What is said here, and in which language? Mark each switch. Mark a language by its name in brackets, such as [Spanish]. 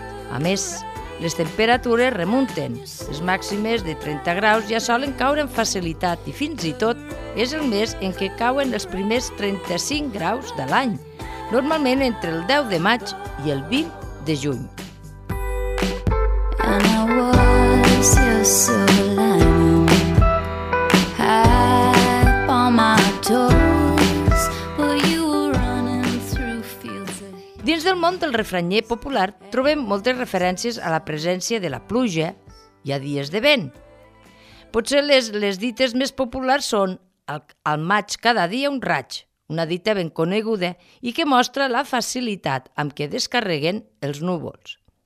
[Catalan] A més, les temperatures remunten. Les màximes de 30 graus ja solen caure amb facilitat i fins i tot és el mes en què cauen els primers 35 graus de l'any, normalment entre el 10 de maig i el 20 de juny. [English] And I was your soul high on my toes, but you were running through fields. [Catalan] Dins del món del refranyer popular trobem moltes referències a la presència de la pluja i a dies de vent. Potser les dites més populars són al maig cada dia un raig, una dita ben coneguda i que mostra la facilitat amb què descarreguen els núvols.